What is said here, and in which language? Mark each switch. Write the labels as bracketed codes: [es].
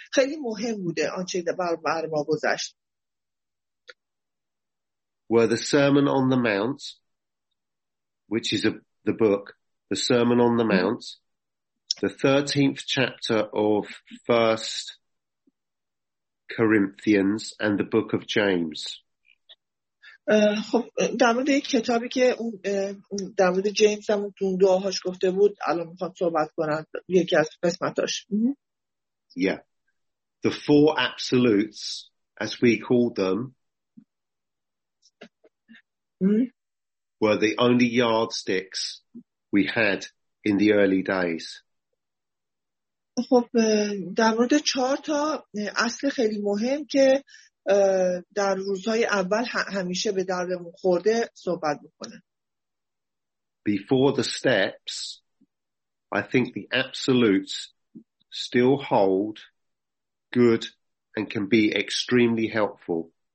[fa] خیلی مهم بوده آنچه بر ما گذشت. [en] Were the Sermon on the Mount, which is the book, the Sermon on the Mount, the 13th chapter of 1 Corinthians and the book of James. [fa] خب در مورد یک کتابی که اون در مورد جیمز هم تو دعاهاش گفته بود الان میخوام صحبت کنم، یکی از قسمتاش. [en] Yeah. The four absolutes as we called them were the only yardsticks we had in the early days. [fa] خب در مورد چهار تا اصل خیلی مهم که در روزهای اول همیشه به دردمون خورده صحبت میکنه. [en] Before the steps, I think the absolutes still hold good and can be extremely helpful.